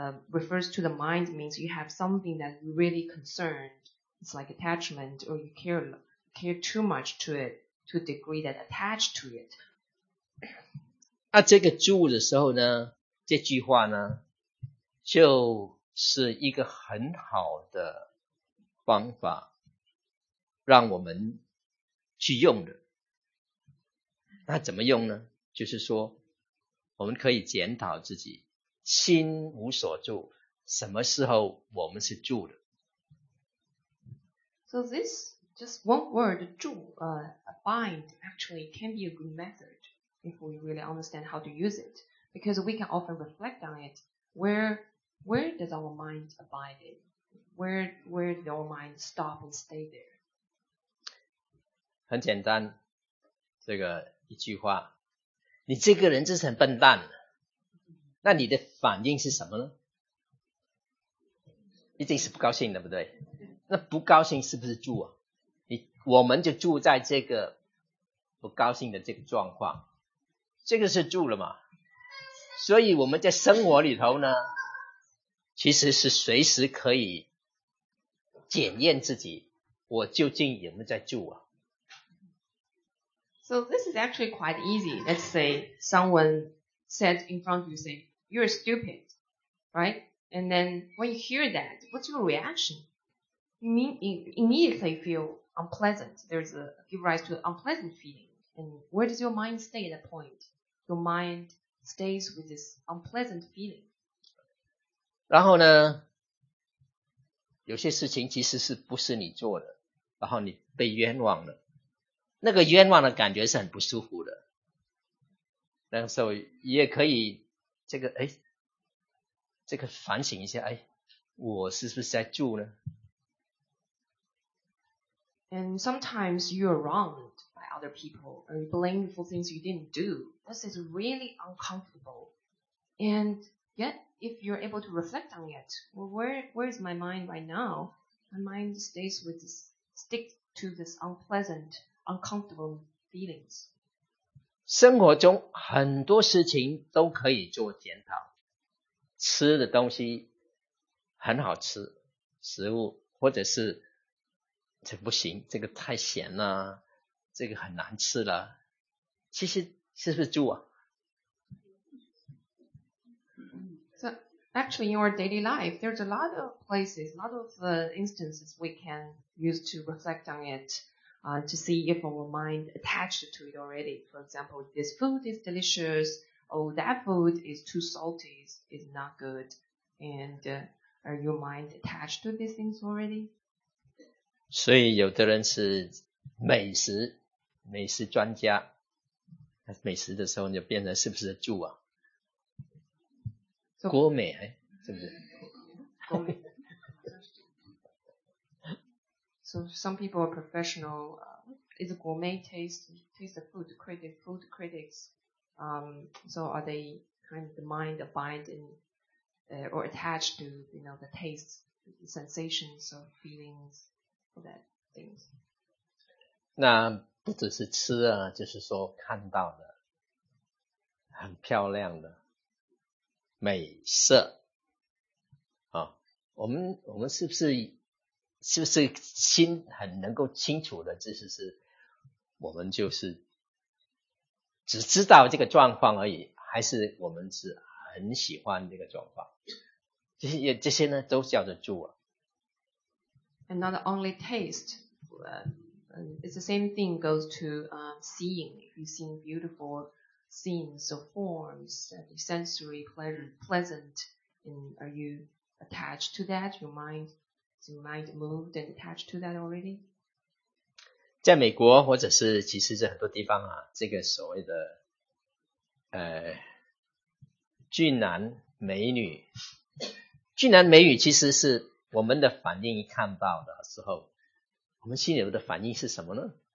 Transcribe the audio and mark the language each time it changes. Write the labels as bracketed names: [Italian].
[English] Refers to the mind means you have something that you really concerned. It's like attachment or you care too much to it to a degree that attached to it. [Chinese] 那这个住的时候呢？这句话呢？就是一个很好的方法让我们去用的。那怎么用呢？就是说我们可以检讨自己心无所住，什么时候我们是住的。 [English] So this just one word 住 bind actually can be a good method if we really understand how to use it, because we can often reflect on it where does our mind abide in? Where does our mind stop and stay there? [Chinese] 很简单，这个一句话，你这个人真是很笨蛋，那你的反应是什么呢？一定是不高兴，对不对？那不高兴是不是住啊？我们就住在这个不高兴的这个状况，这个是住了嘛？所以我们在生活里头呢，其实是随时可以检验自己，我究竟有没有在住啊。 [English] So this is actually quite easy. Let's say someone said in front of you, say, you're stupid, right? And then when you hear that, what's your reaction? You mean immediately feel unpleasant. There's a give rise to an unpleasant feeling. And where does your mind stay at that point? Your mind stays with this unpleasant feeling. [Chinese] 然后呢，有些事情其实是不是你做的，然后你被冤枉了，那个冤枉的感觉是很不舒服的。然后也可以这个哎，这个反省一下，哎，我是不是在做呢？ [English] And sometimes you are wronged by other people, or you blame for things you didn't do. This is really uncomfortable. And yet, if you're able to reflect on it, well, where is my mind right now? My mind stays with this, stick to this unpleasant, uncomfortable feelings. [Chinese] 生活中很多事情都可以做检讨。吃的东西很好吃，食物或者是这不行，这个太咸了，这个很难吃了。其实是不是住啊 [English] ？So actually, in our daily life, there's a lot of places, a lot of instances we can use to reflect on it, to see if our mind attached to it already. For example, this food is delicious. Oh, that food is too salty. It's not good. And are your mind attached to these things already? [Chinese] 所以有的人是美食专家，美食的时候你就变成是不是住啊？锅美哎，是不是？锅美。 [English] So some people are professional. Is gourmet taste the food critic food critics? So are they kind of the mind abide in or attached to you know the tastes, the sensations or feelings? [Chinese] 那不只是吃啊，就是说看到的很漂亮的美色啊，我们是不是心很能够清楚的，就是我们就是只知道这个状况而已，还是我们是很喜欢这个状况？这些呢，都叫做住啊。 [English] And not only taste, it's the same thing goes to seeing. If you've seen beautiful scenes or forms, sensory pleasant, and are you attached to that? Is your mind moved and attached to that already? [Chinese] 在美国或者是其实在很多地方啊，这个所谓的俊男美女，俊男美女其实是。我们的反应一看到的时候，我们心里的反应是什么呢？